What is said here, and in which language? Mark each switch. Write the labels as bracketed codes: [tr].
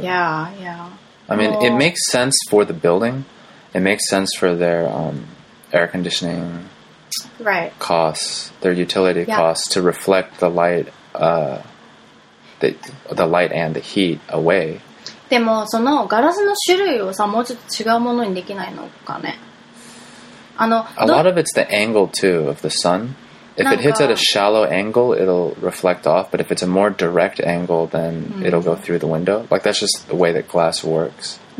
[en] Yeah. I mean, it makes sense for the building. It makes sense for their air conditioning costs, their utility costs, to reflect the light, the light and the heat away. [ja] でも、そのガラスの種類をさ、もうちょっと違うものにできないのかね? [en] A lot of it's the angle, too, of the sun. If it hits at a shallow angle, it'll reflect off. But if it's a more direct angle, then it'll go through the window. Like, that's just the way that glass works.